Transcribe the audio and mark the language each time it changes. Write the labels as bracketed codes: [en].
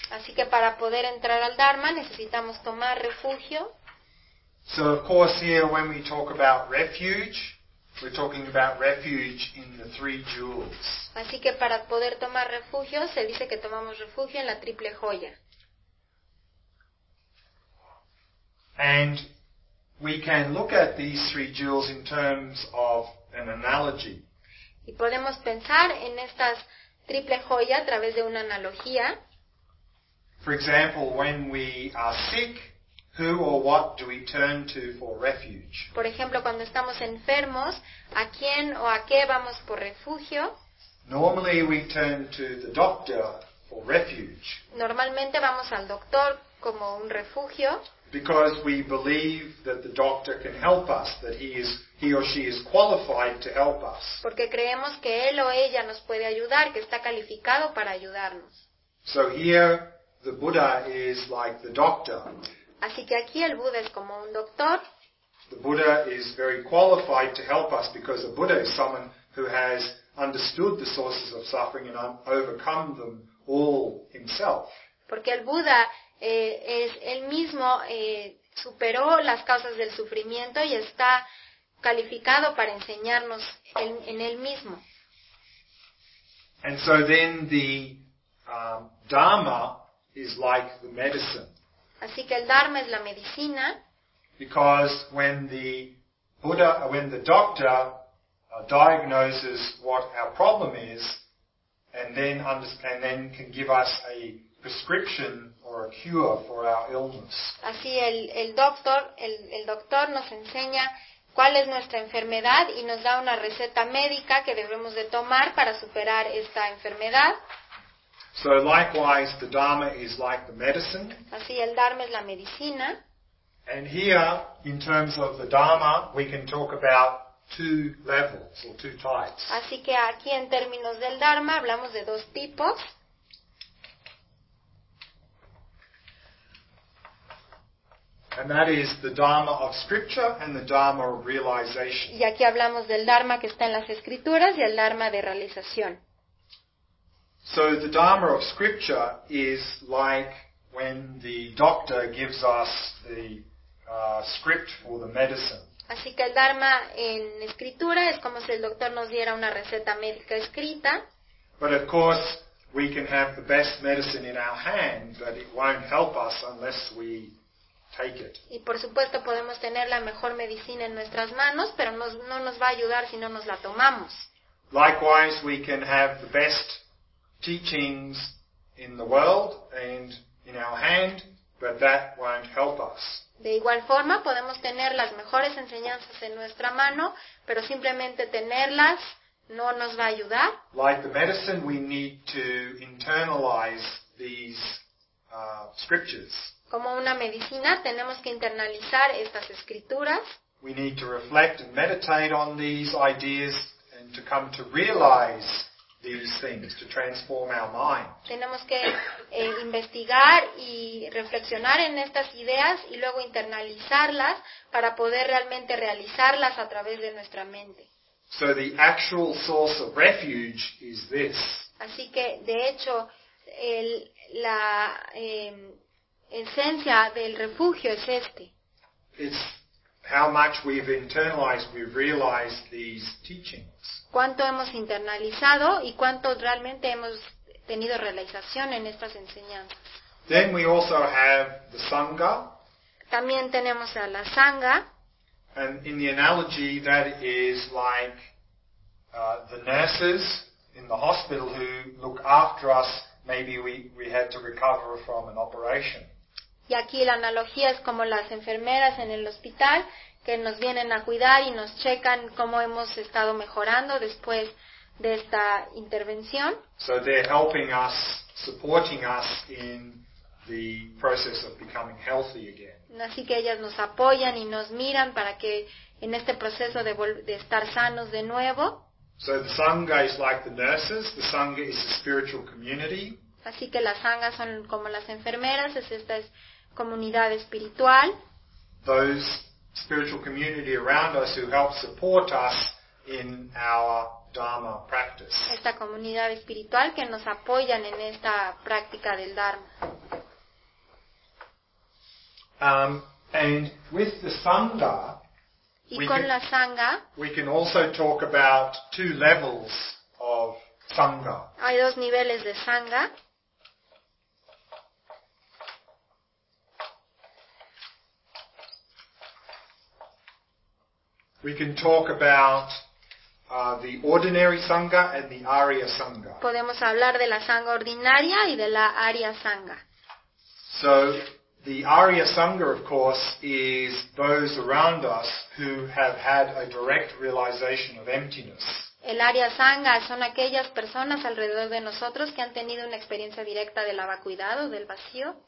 [es] Así que para poder entrar al Dharma necesitamos tomar refugio. [en] So, of course, here when we talk about refuge, we're talking about refuge in the three jewels. [es] Así que para poder tomar refugio, se dice que tomamos refugio en la triple joya. [en] And we can look at these three jewels in terms of an analogy. [es] Y podemos pensar en estas triple joya a través de una analogía. [en] For example, when we are sick, who or what do we turn to for refuge? [es] Por ejemplo, cuando estamos enfermos, ¿a quién o a qué vamos por refugio? [en] Normally we turn to the doctor for refuge. [es] Normalmente vamos al doctor como un refugio. [en] Because we believe that the doctor can help us, that he or she is qualified to help us. [es] Porque creemos que él o ella nos puede ayudar, que está calificado para ayudarnos. [en] So here the Buddha is like the doctor. [es] Así que aquí el Buda es como un doctor. [en] The Buddha is very qualified to help us because a Buddha is someone who has understood the sources of suffering and overcome them all himself. [es] Porque el Buda es él mismo superó las causas del sufrimiento y está calificado para enseñarnos en él mismo. [en] And so then the Dharma is like the medicine. [es] Así que el Dharma es la medicina. [en] Because when the Buddha, when the doctor diagnoses what our problem is, and then can give us a prescription or a cure for our illness. [es] Así el doctor nos enseña cuál es nuestra enfermedad y nos da una receta médica que debemos de tomar para superar esta enfermedad. [en] So likewise, the Dharma is like the medicine. [es] Así, el Dharma es la medicina. [en] And here, in terms of the Dharma, we can talk about two levels or two types. [es] Así que aquí en términos del Dharma hablamos de dos tipos. [en] And that is the Dharma of Scripture and the Dharma of Realization. [es] Y aquí hablamos del Dharma que está en las Escrituras y el Dharma de Realización. [en] So the Dharma of Scripture is like when the doctor gives us the script for the medicine. [es] Así que el Dharma en Escritura es como si el doctor nos diera una receta médica escrita. [en] But of course, we can have the best medicine in our hand, but it won't help us unless we take it. [es] Y por supuesto podemos tener la mejor medicina en nuestras manos, pero no nos va a ayudar si no nos la tomamos. [en] Likewise, we can have the best teachings in the world and in our hand, but that won't help us. [es] De igual forma, podemos tener las mejores enseñanzas en nuestra mano, pero simplemente tenerlas no nos va a ayudar. [en] Like the medicine, we need to internalize these scriptures. [es] Como una medicina, tenemos que internalizar estas escrituras. [en] We need to reflect and meditate on these ideas and to come to realize these things, to transform our mind. [es] Tenemos que investigar y reflexionar en estas ideas y luego internalizarlas para poder realmente realizarlas a través de nuestra mente. [en] So the actual source of refuge is this. [es] Así que, de hecho, la esencia del refugio es este. [en] It's how much we've internalized, we've realized these teachings. [es] Cuánto hemos internalizado y cuánto realmente hemos tenido realización en estas enseñanzas. [en] Then we also have the Sangha. [es] También tenemos a la Sangha. [en] And in the analogy, that is like the nurses in the hospital who look after us. Maybe we had to recover from an operation. [es] Y aquí la analogía es como las enfermeras en el hospital que nos vienen a cuidar y nos checan cómo hemos estado mejorando después de esta intervención. [en] So they're helping us, supporting us in the process of becoming healthy again. [es] Así que ellas nos apoyan y nos miran para que en este proceso de estar sanos de nuevo. [en] So the Sangha is like the nurses. The Sangha is a spiritual community. [es] Así que las sanghas son como las enfermeras, es esta es comunidad espiritual. [en] Those spiritual community around us who help support us in our Dharma practice. [es] Esta comunidad espiritual que nos apoyan en esta práctica del Dharma. [en] And with the Sangha, [es] y con la Sangha, [en] we can also talk about two levels of Sangha. [es] Hay dos niveles de Sangha. [en] We can talk about the ordinary Sangha and the Arya Sangha. [es] Podemos hablar de la Sangha ordinaria y de la Arya Sangha. [en] So, the Arya Sangha, of course, is those around us who have had a direct realization of emptiness. [es] El Arya Sangha son aquellas personas alrededor de nosotros que han tenido una experiencia directa de la vacuidad o del vacío.